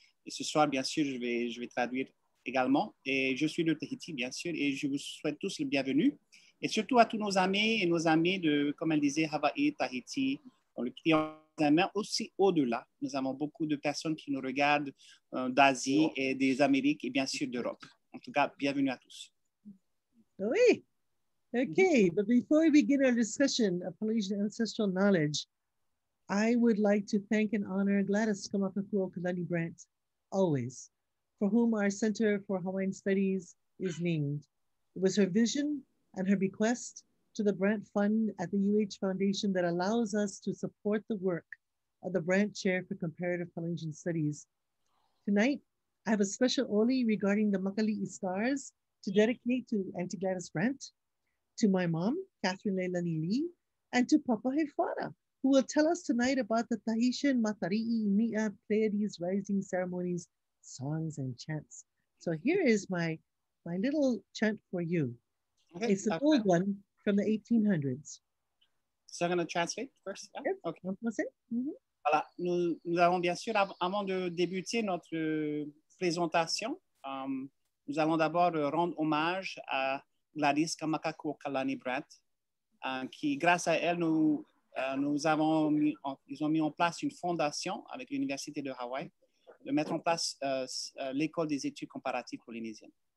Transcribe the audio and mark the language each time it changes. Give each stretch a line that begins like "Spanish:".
French: Et ce soir, bien sûr, je vais traduire également. Et je suis de Tahiti, bien sûr, et je vous souhaite tous le bienvenu. Et surtout à tous nos amis et nos amis de, comme elle disait, Hawaii, Tahiti, dans le triangle, mais aussi au-delà. Nous avons beaucoup de personnes qui nous regardent d'Asie et des Amériques et bien sûr d'Europe. En tout cas, bienvenue à tous. Oui.
English: Okay, but before we begin our discussion of Polynesian ancestral knowledge, I would like to thank and honor Gladys Kamakakuo Kalani Brandt, always, for whom our Center for Hawaiian Studies is named. It was her vision and her bequest to the Brandt Fund at the UH Foundation that allows us to support the work of the Brandt Chair for Comparative Polynesian Studies. Tonight, I have a special oli regarding the Makalii stars to dedicate to Auntie Gladys Brandt, to my mom, Catherine Leilani Lee, and to Papa Heifara, who will tell us tonight about the Tahitian Matariʻi Niʻa Pleiades Rising Ceremonies, songs and chants. So here is my little chant for you. Okay, it's an old one from the 1800s. So I'm going to translate first. Yeah? Yep. Okay. Mm-hmm.
French: Voilà. Nous avons bien sûr, avant de débuter notre présentation, nous allons d'abord rendre hommage à Gladys Kamakakuo Kalani Brandt, qui, grâce à elle, ils ont mis en place une fondation avec l'Université de Hawaii, de mettre en place l'école des études comparatives polynésiennes.